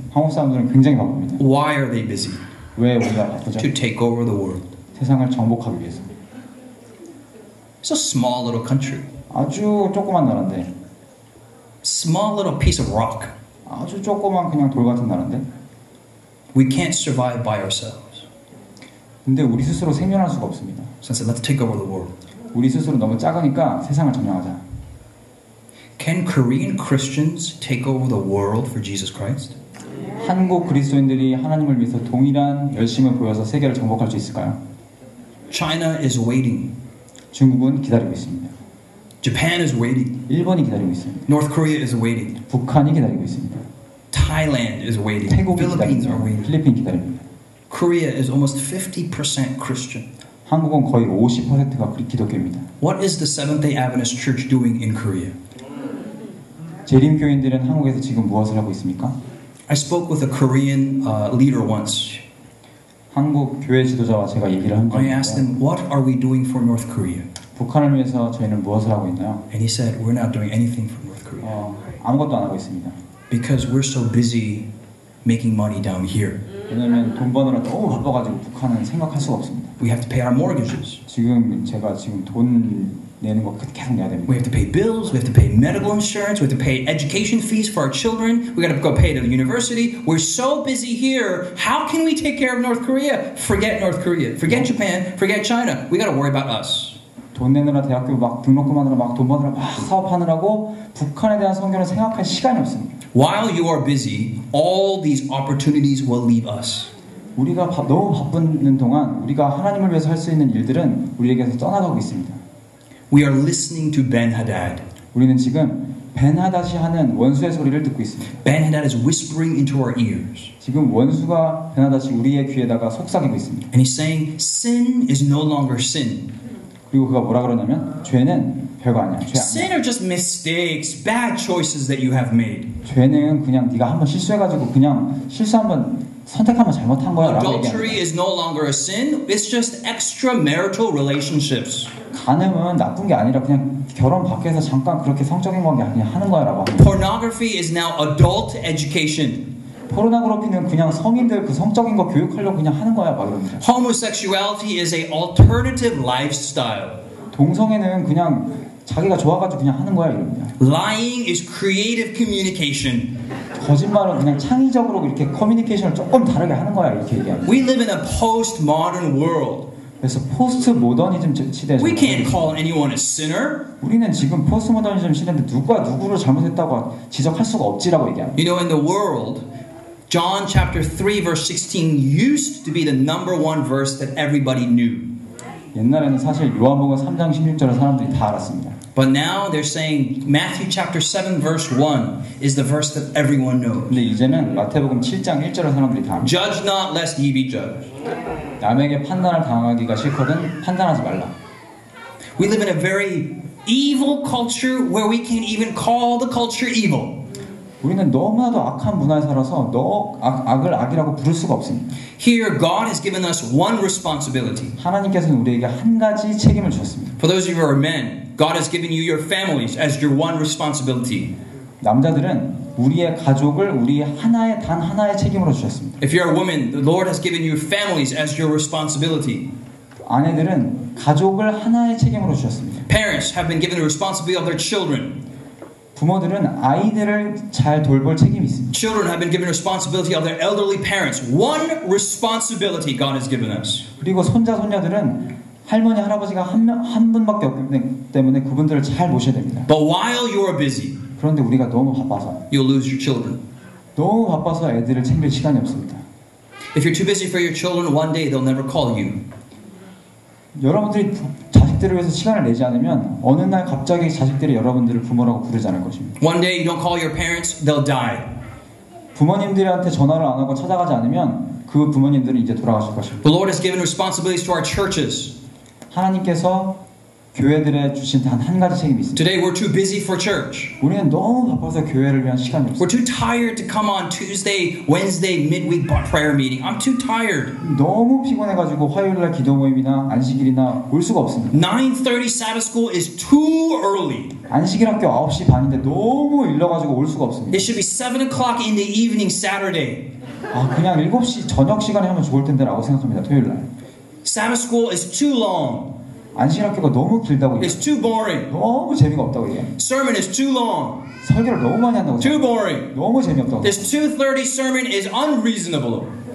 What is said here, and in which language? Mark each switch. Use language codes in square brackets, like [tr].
[ko] 한국 사람들은 굉장히 바쁩니다. [en] Why are they busy? [ko] 왜 우리가 바꾸죠? [en] To take over the world. [ko] 세상을 정복하기 위해서. [en] It's a small little country. [ko] 아주 조그만 나라인데. [en] Small little piece of rock. [ko] 아주 조그만 그냥 돌 같은 나라인데. [en] We can't survive by ourselves. [ko] 근데 우리 스스로 생존할 수가 없습니다. [en] So I said, let's take over the world. [ko] 우리 스스로 너무 작으니까 세상을 점령하자. [en] Can Korean Christians take over the world for Jesus Christ? [ko] 한국 그리스도인들이 하나님을 위해서 동일한 열심을 보여서 세계를 정복할 수 있을까요? [en] China is waiting. [ko] 중국은 기다리고 있습니다. [en] Japan is waiting. [ko] 일본이 기다리고 있습니다. [en] North Korea is waiting. [ko] 북한이 기다리고 있습니다. [en] Thailand is waiting. [ko] 태국이 [en] Philippines are waiting. [ko] 필리핀 기다립니다. [en] Korea is almost 50% Christian. [ko] 한국은 거의 50%가 기독교입니다. [en] What is the Seventh-day Adventist Church doing in Korea? [ko] 재림교인들은 한국에서 지금 무엇을 하고 있습니까? [en] I spoke with a Korean leader once. [ko] 한국 교회 지도자와 제가 얘기를 한 적이 있어요. [en] I asked him, "What are we doing for North Korea?" [ko] 북한을 위해서 저희는 무엇을 하고 있나요? [en] And he said, "We're not doing anything for North Korea." [ko] 아무것도 안 하고 있습니다. [en] Because we're so busy making money down here. [ko] 왜냐하면 돈 버느라 너무 바빠가지고 북한은 생각할 수가 없습니다. [en] We have to pay our mortgages. [ko] 지금 제가 지금 돈 내는 거 계속 내야 됩니다. [en] We have to pay bills. We have to pay medical insurance. We have to pay education fees for our children. We got to go pay to the university. We're so busy here. How can we take care of North Korea? Forget North Korea. Forget Japan. Forget China. We got to worry about us. [ko] 돈 내느라 대학교 막 등록금하느라 막 돈 버느라 막 사업하느라고 북한에 대한 성경을 생각할 시간이 없습니다. [en] While you are busy, all these opportunities will leave us. [ko] 우리가 너무 바쁜 동안 우리가 하나님을 위해서 할 수 있는 일들은 우리에게서 떠나가고 있습니다. [en] We are listening to Ben-Hadad. [ko] 우리는 지금 벤하닷이 하는 원수의 소리를 듣고 있습니다. [en] Ben-Hadad is whispering into our ears. [ko] 지금 원수가 벤하닷이 우리의 귀에다가 속삭이고 있습니다. [en] And he's saying, sin is no longer sin. [ko] 그리고 그가 뭐라 그러냐면 죄는 별거 아니야. 죄 아니야. [en] Sin are just mistakes, bad choices that you have made. [ko] 죄는 그냥 네가 한번 실수해가지고 그냥 실수 한번 선택하면 잘못한 거야. [en] Adultery is no longer a sin. It's just extramarital relationships. [ko] 간음은 나쁜 게 아니라 그냥 결혼 밖에서 잠깐 그렇게 성적인 관계 그냥 하는 거야라고. [en] Pornography is now adult education. [ko] 포르노그래피는 그냥 성인들 그 성적인 거 교육하려고 그냥 하는 거야 막 이러면서. [en] Homosexuality is an alternative lifestyle. [ko] 동성애는 그냥 자기가 좋아가지고 그냥 하는 거야 이러면서. [en] Lying is creative communication. [ko] 거짓말은 그냥 창의적으로 이렇게 커뮤니케이션을 조금 다르게 하는 거야 이렇게 얘기하는. [en] We live in a post-modern world. [ko] 그래서 포스트모더니즘 시대에서 [en] We can't call anyone a sinner. [ko] 우리는 지금 포스트모더니즘 시대인데 누가 누구를 잘못했다고 지적할 수가 없지라고 얘기합니다. [en] You know in the world John chapter 3 verse 16 used to be the number one verse that everybody knew. [ko] 옛날에는 사실 요한복음 3장 16절을 사람들이 다 알았습니다. [en] But now they're saying Matthew chapter 7 verse 1 is the verse that everyone knows. [ko] 근데 이제는 마태복음 7장 1절을 사람들이 다 알았습니다. [en] Judge not lest ye be judged. [ko] 남에게 판단을 당하기가 싫거든 판단하지 말라. [en] We live in a very evil culture where we can't even call the culture evil. [ko] 우리는 너무나도 악한 문화에 살아서 악을 악이라고 부를 수가 없습니다. [en] Here God has given us one responsibility. [ko] 하나님께서는 우리에게 한 가지 책임을 주셨습니다. [en] For those of you who are men, God has given you your families as your one responsibility. [ko] 남자들은 우리의 가족을 우리의 하나의 단 하나의 책임으로 주셨습니다. [en] If you are a woman, the Lord has given you families as your responsibility. [ko] 아내들은 가족을 하나의 책임으로 주셨습니다. [en] Parents have been given the responsibility of their children. [ko] 부모들은 아이들을 잘 돌볼 책임이 있습니다. [en] Children have been given responsibility of their elderly parents. One responsibility God has given us. [ko] 그리고 손자 손녀들은 할머니 할아버지가 한 분밖에 없기 때문에 그분들을 잘 모셔야 됩니다. [en] But while you are busy. [ko] 그런데 우리가 너무 바빠서 [en] you'll lose your children. [ko] 너무 바빠서 애들을 챙길 시간이 없습니다. [en] If you're too busy for your children, one day they'll never call you. [ko] 여러분들이 자식들을 위해서 시간을 내지 않으면 어느 날 갑자기 자식들이 여러분들을 부모라고 부르지 않을 것입니다. [en] One day you don't call your parents, they'll die. [ko] 부모님들한테 전화를 안 하고 찾아가지 않으면 그 부모님들은 이제 돌아가실 것입니다. [en] The Lord has given responsibilities to our churches. [ko] 하나님께서 교회들에 주신 단 한 가지 책임이 있습니다. [en] Today we're too busy for church. [ko] 우리는 너무 바빠서 교회를 위한 시간이 없어요. [en] We're too tired to come on Tuesday, Wednesday midweek prayer meeting. I'm too tired. [ko] 너무 피곤해 가지고 화요일 날 기도 모임이나 안식일이나 올 수가 없습니다. [en] 9:30 Sabbath school is too early. [ko] 안식일 학교 9시 반인데 너무 일러 가지고 올 수가 없습니다. [en] It should be 7 o'clock in the evening Saturday. [ko] 아, 그냥 7시 저녁 시간에 하면 좋을 텐데라고 생각합니다. 토요일 날. [en] Sabbath school is too long. [ko] 안식일 학교가 너무 길다고 얘기해. [en] It's too boring. [ko] 너무 재미가 없다고 얘기해. [en] Sermon is too long. [ko] 설교를 너무 많이 한다고 얘기해. [en] Too boring. [ko] 너무 재미없다고. [en] This 2:30 sermon is unreasonable.